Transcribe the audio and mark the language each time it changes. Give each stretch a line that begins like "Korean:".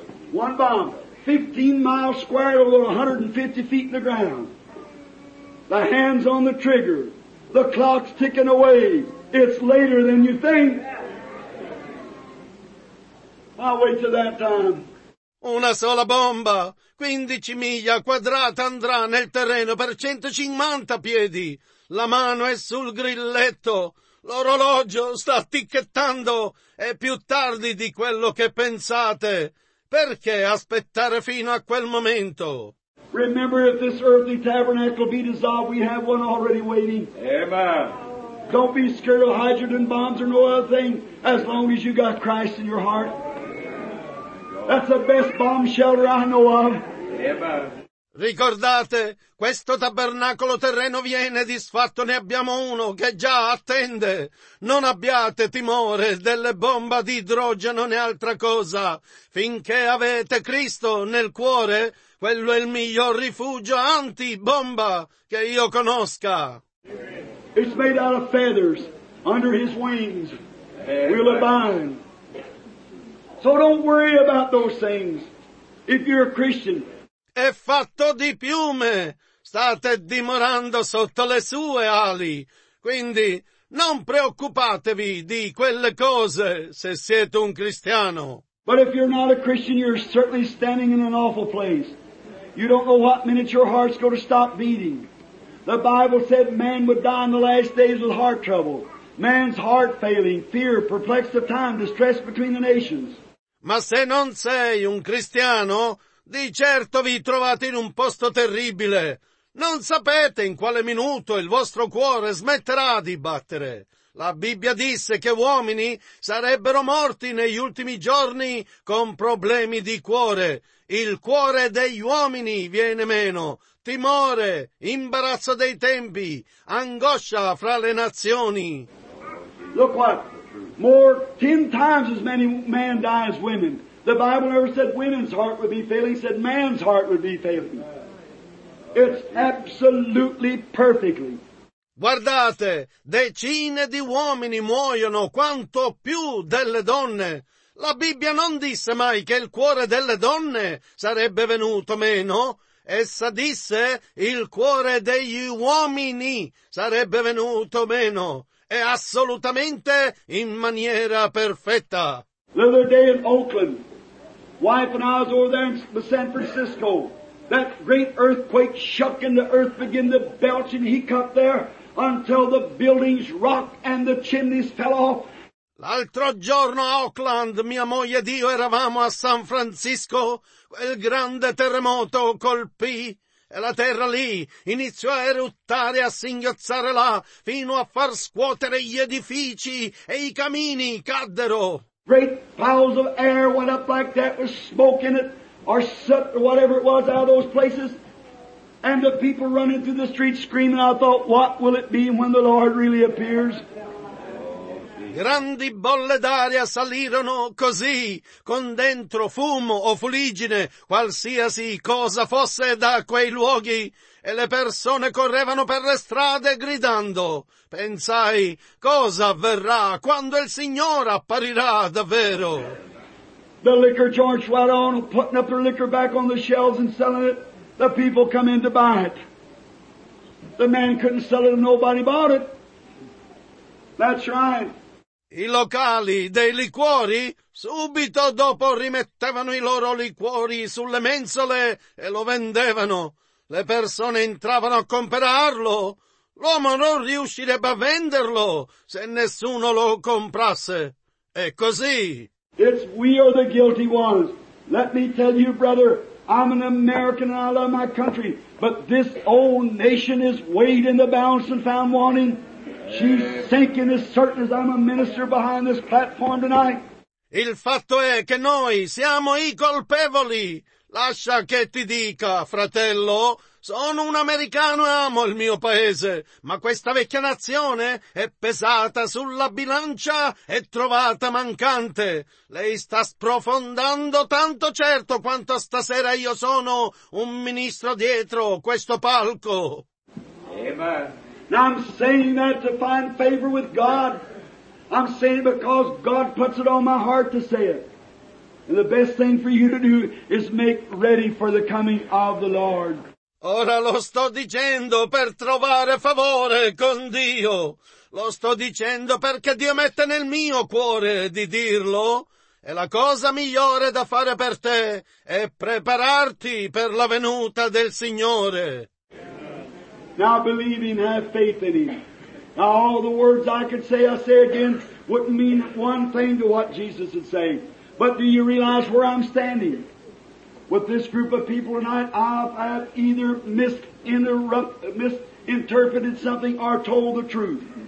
English: One bomb, 15 miles square over 150 feet in the ground. The hands on the trigger, the clock's ticking away. It's later than you think. I'll wait till that time.
Italian: Una sola bomba, 15 miglia quadrata andrà nel terreno per 150 piedi. La mano è sul grilletto, l'orologio sta ticchettando, è più tardi di quello che pensate. Perché aspettare fino a quel momento?
English: Remember, if this earthly tabernacle be dissolved, we have one already waiting. Amen. Don't be scared of hydrogen bombs or no other thing, as long as you got Christ in your heart. That's the best bomb shelter I know of.
Italian: Ricordate, questo tabernacolo terreno viene disfatto, ne abbiamo uno che già attende. Non abbiate timore delle bombe di idrogeno né altra cosa. Finché avete Cristo nel cuore, quello è il miglior rifugio anti-bomba che io conosca.
English: It's made out of feathers. Under his wings, we'll abide. So don't worry about those things if you're a Christian.
Italian: È fatto di piume. State dimorando sotto le sue ali. Quindi non preoccupatevi di quelle cose se siete un cristiano.
English: But if you're not a Christian, you're certainly standing in an awful place. You don't know what minute your heart's going to stop beating. The Bible said man would die in the last days with heart trouble, man's heart failing, fear, perplexed of time, distress between the nations.
Italian: Ma se non sei un cristiano, di certo vi trovate in un posto terribile. Non sapete in quale minuto il vostro cuore smetterà di battere. La Bibbia disse che uomini sarebbero morti negli ultimi giorni con problemi di cuore. Il cuore degli uomini viene meno. Timore, imbarazzo dei tempi, angoscia fra le nazioni.
English: Look what, more 10 times as many men die as women. The Bible never said women's heart would be failing, said man's heart would be failing. It's absolutely perfectly.
Italian: Guardate, decine di uomini muoiono quanto più delle donne. La Bibbia non disse mai che il cuore delle donne sarebbe venuto meno. Essa disse il cuore degli uomini sarebbe venuto meno. E assolutamente in maniera perfetta. L'altro giorno
English: in Oakland, wife and I was over there in San Francisco. That great earthquake shook and the earth began to belch and he cut there. Until the buildings rocked and the chimneys fell off.
Italian: L'altro giorno a Oakland, mia moglie ed io eravamo a San Francisco, quel grande terremoto colpì, e la terra lì iniziò a eruttare, a singhiozzare là, fino a far scuotere gli edifici e i camini caddero.
English: Great piles of air went up like that with smoke in it, or soot or whatever it was out of those places. And the people running through the streets screaming, I thought, what will it be when the Lord really appears?
Italian: Grandi bolle d'aria salirono così, con dentro fumo o fuligine, qualsiasi cosa fosse da quei luoghi, e le persone correvano per le strade gridando. Pensai, cosa avverrà quando il Signore apparirà davvero?
English: The liquor joints went on, putting up their liquor back on the shelves and selling it. The people come in to buy it. The man couldn't sell it and nobody bought it. That's right.
Italian: I locali dei liquori subito dopo rimettevano i loro liquori sulle mensole e lo vendevano. Le persone entravano a comprarlo. L'uomo non riuscirebbe a venderlo se nessuno lo comprasse. È così.
English: It's we are the guilty ones. Let me tell you, brother, I'm an American and I love my country, but this old nation is weighed in the balance and found wanting. She's sinking as certain as I'm a minister behind this platform tonight.
Italian: Il fatto è che noi siamo i colpevoli. Lascia che ti dica, fratello, sono un americano e amo il mio paese, ma questa vecchia nazione è pesata sulla bilancia e trovata mancante. Lei sta sprofondando tanto certo quanto stasera io sono un ministro dietro questo palco. Amen.
English: I'm saying that to find favor with God. I'm saying it because God puts it on my heart to say it. And the best thing for you to do is make ready for the coming of the Lord.
Italian: Ora lo sto dicendo per trovare favore con Dio. Lo sto dicendo perché Dio mette nel mio cuore di dirlo. E la cosa migliore da fare per te è prepararti per la venuta del Signore.
English: Now believe in, have faith in Him. Now all the words I say again, wouldn't mean one thing to what Jesus is saying. But do you realize where I'm standing? With this group of people tonight, I've either misinterpreted something or told the truth.